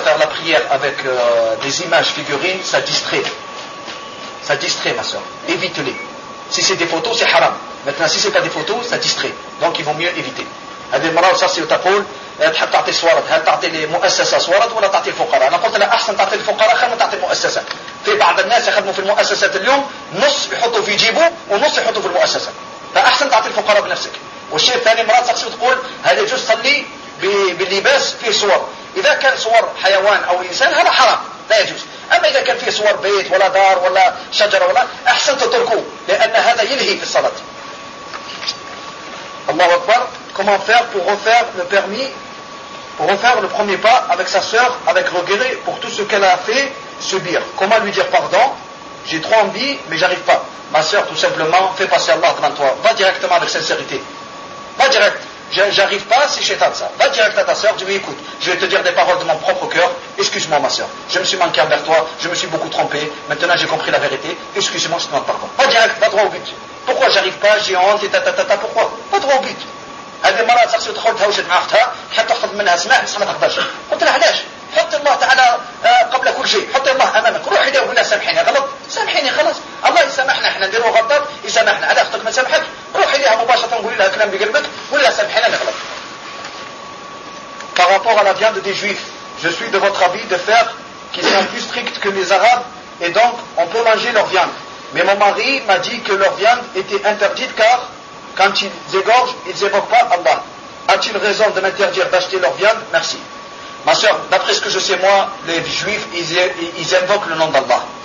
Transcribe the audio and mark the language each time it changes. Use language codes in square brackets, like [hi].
[fr] faire la prière avec des images, figurines, ça distrait. Ça distrait, ma soeur. Évite-les. Si c'est des photos, c'est haram. Maintenant, si c'est pas des photos, ça distrait. Donc, il vaut mieux éviter. [ar] هذه المرأة وصلت وتقول تحب تعطي صورات، هل تعطي لمؤسسة صورات ولا تعطي الفقراء؟ أنا قلت لها أحسن تعطي الفقراء خير من تعطي المؤسسة. في بعض الناس يخدموا في المؤسسات اليوم نص يحطوا في جيبه ونص يحطوا في المؤسسة، فأحسن تعطي الفقراء بنفسك. والشيء الثاني، المرأة صلت وتقول هذا يجوز تصلي باللباس فيه صور، إذا كان صور حيوان أو إنسان هذا حرام لا يجوز، أما إذا كان فيه صور بيت ولا دار ولا شجرة ولا أحسن تتركوه، لأن هذا يلهي في الصلاة. الله أكبر. [fr] Comment faire pour refaire le permis, pour refaire le premier pas avec sa sœur, avec regret pour tout ce qu'elle a fait subir? Comment lui dire pardon? J'ai trop envie, mais j'arrive pas. Ma sœur, tout simplement, fais passer Allah devant toi. Va directement avec sincérité. Va direct. J'arrive pas, c'est chétan ça. Va direct à ta sœur, dis-lui, écoute, je vais te dire des paroles de mon propre cœur. Excuse-moi, ma sœur. Je me suis manqué envers toi. Je me suis beaucoup trompé. Maintenant, j'ai compris la vérité. Excuse-moi, je te demande pardon. Va direct, va droit au but. Pourquoi j'arrive pas? J'ai honte, et ta, pourquoi? Va droit au but. [ar] هذه المرأة تقصد تخرجها وجد معها أختها حتى تأخذ منها اسماء بس ما تقدرش. قلت لها علاش؟ حط الله تعالى قبل كل شيء، حط الله أمامك، روحي لها وقولي لها سامحيني غلط، سامحيني خلاص، الله يسامحنا، احنا نديرو غلطات يسامحنا، على أختك ما سامحك، روحي لها مباشرة وقولي لها كلام بقلبك، قولي لها سامحيني أنا غلط. [fr] Par rapport à la viande des juifs, je suis de votre avis de faire qu'ils sont plus stricts que les arabes et donc on peut manger leur viande. Mais mon mari m'a dit que leur viande était interdite car quand ils égorgent, ils n'évoquent pas Allah. A-t-il raison de m'interdire d'acheter leur viande? Merci. Ma soeur, d'après ce que je sais, moi, les juifs, ils invoquent le nom d'Allah.